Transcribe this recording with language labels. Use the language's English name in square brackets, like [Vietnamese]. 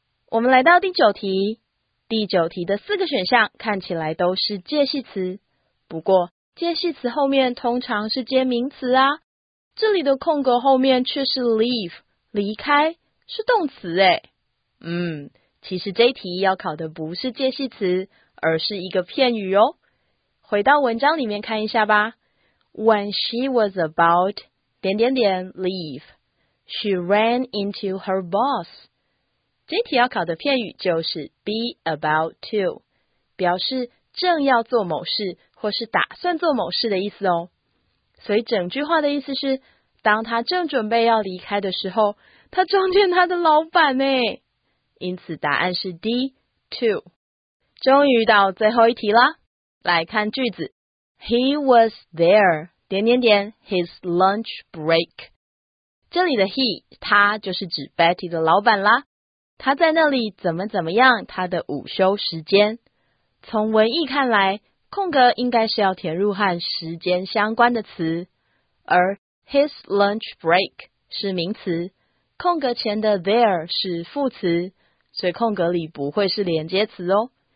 [Chinese] 我们来到第九题，第九题的四个选项看起来都是介系词，不过介系词后面通常是接名词啊，这里的空格后面却是 leave, 离开，是动词耶。其实这一题要考的不是介系词，而是一个片语哦。回到文章里面看一下吧。 [English] When she was about [Chinese] 点点点 [English] leave, she ran into her boss. [Chinese] 这题要考的片语就是 be about to, 表示正要做某事或是打算做某事的意思哦。所以整句话的意思是，当他正准备要离开的时候，他撞见他的老板耶。因此答案是 D, to。终于到最后一题啦，来看句子。 [English] He was there, [Chinese] 点点点 [English] his lunch break。 [Chinese] 这里的 he, 他就是指 Betty 的老板啦。他在那里怎么怎么样他的午休时间。从文意看来，空格应该是要填入和时间相关的词，而 his lunch break 是名词，空格前的 there 是副词，所以空格里不会是连接词哦。